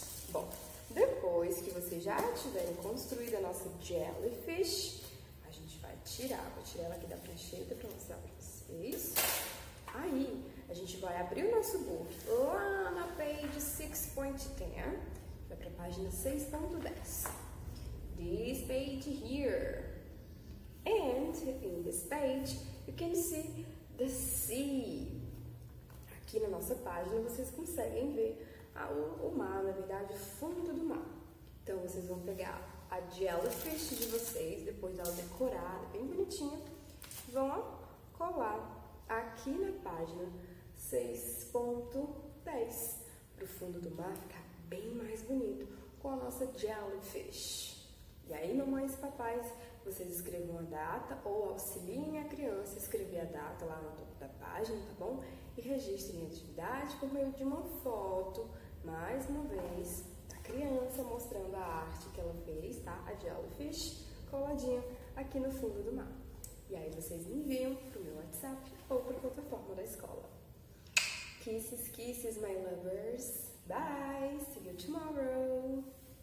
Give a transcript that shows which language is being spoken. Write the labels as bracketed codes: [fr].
[pt] Bom, depois que vocês já tiverem construído a nossa jellyfish, a gente vai tirar. Vou tirar ela aqui da prancheta pra mostrar pra vocês. Aí, a gente vai abrir o nosso book lá na page 6.10, vai para a página 6.10. [en] This page here. And in this page, you can see the sea. [pt] Aqui na nossa página, vocês conseguem ver o mar, na verdade, o fundo do mar. Então, vocês vão pegar a jellyfish de vocês, depois dela decorada, bem bonitinha, vão colar aqui na página 6.10, para o fundo do mar ficar bem mais bonito com a nossa jellyfish. E aí, mamães e papais, vocês escrevam a data ou auxiliem a criança a escrever a data lá no topo da página, tá bom? E registrem a atividade por meio de uma foto, mais uma vez, da criança mostrando a arte que ela fez, tá? A jellyfish coladinha aqui no fundo do mar. E aí vocês me enviam pro meu WhatsApp ou pra plataforma da escola. [en] Kisses, kisses, my lovers. Bye! See you tomorrow!